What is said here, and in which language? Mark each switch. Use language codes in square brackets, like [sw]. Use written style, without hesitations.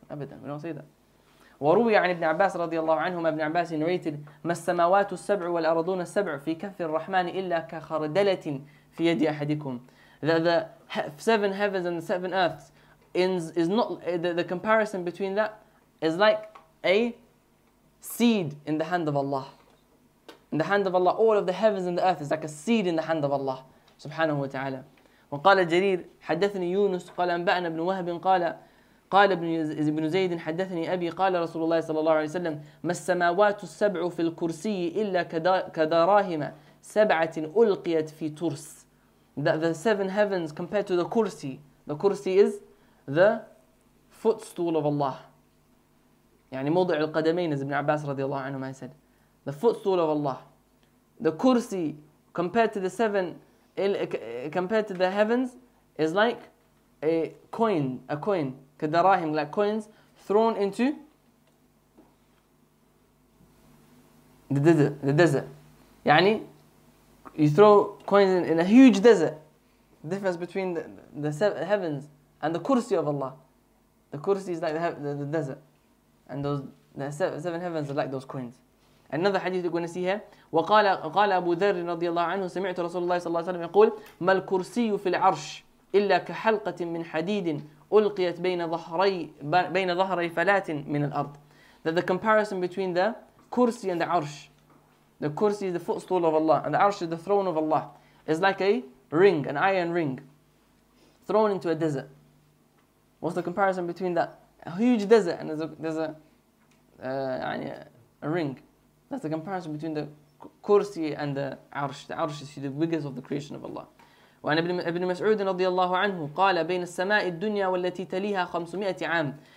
[en] Abadan, we don't say that. [ar] وَرُوِيَ عَنِ ابْنِ عَبَّاسِ رَضِيَ اللَّهُ عَنْهُمَ, [en] ابْنِ عَبَّاسِ narrated, [ar] مَا السَّمَاوَاتُ السَّبْعُ وَالْأَرَضُونَ السَّبْعُ فِي كَفِّ الرَّحْمَنِ إِلَّا كَخَرْدَلَةٍ فِي يَدِ أَحَدِكُمْ, [en] the seven heavens and the seven earths is not the comparison between that is like a seed in the hand of Allah. In the hand of Allah, all of the heavens and the earth is like a seed in the hand of Allah subhanahu wa ta'ala. [ar] وقال جرير حدثني يونس قال أنبأنا ابن وهب قال ابن زيد حدثني أبي قال رسول الله صلى الله عليه وسلم ما السماوات السبع في الكرسي إلا كدراهم سبعة ألقيت في ترس. [en] The seven heavens compared to the kursi. The kursi is the footstool of Allah. [ar] يعني موضع القدمين, [en] as Ibn Abbas رضي الله عنه I said. The footstool of Allah. The kursi compared to the seven, compared to the heavens, is like a coin. كدراهم, like coins thrown into the desert. يعني you throw coins in a huge desert. The difference between the heavens and the kursi of Allah. The kursi is like the desert. and those seven heavens are like those coins. Another hadith that we're going to see here. [ar] وقال قال أبو ذر رضي الله عنه سمعت رسول الله صلى الله عليه وسلم يقول ما الكرسي في العرش إلا كحلقة من حديد ألقيت بين ظهري فلات من الأرض. [en] That the comparison between the kursi and the arsh, the kursi is the footstool of Allah and the arsh is the throne of Allah, is like a ring, an iron ring thrown into a desert. What's the comparison between that? A huge desert and there's a ring. That's the comparison between the kursi and the arsh. The arsh is the biggest of the creation of Allah. [ar] وعن ابن مسعود رضي الله عنه قال بين السماء الدنيا والتي تليها 500 عام.